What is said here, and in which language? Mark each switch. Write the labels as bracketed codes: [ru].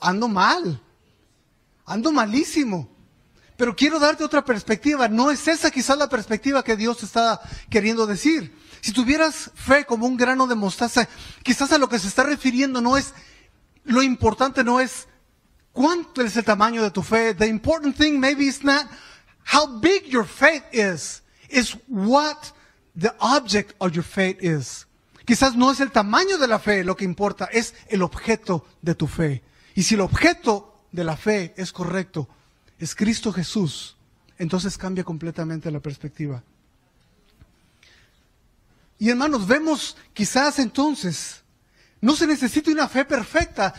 [es] Ando mal, ando malísimo. Pero quiero darte otra perspectiva, no es esa quizás la perspectiva que Dios te está queriendo decir. Si tuvieras fe como un grano de mostaza, quizás a lo que se está refiriendo no es, lo importante no es ¿Cuánto es el tamaño de tu fe? [en] The important thing maybe is not how big your faith is. It's what the object of your faith is. [es] Quizás no es el tamaño de la fe lo que importa, es el objeto de tu fe. Y si el objeto de la fe es correcto, es Cristo Jesús, entonces cambia completamente la perspectiva. Y hermanos, vemos quizás entonces, no se necesita una fe perfecta.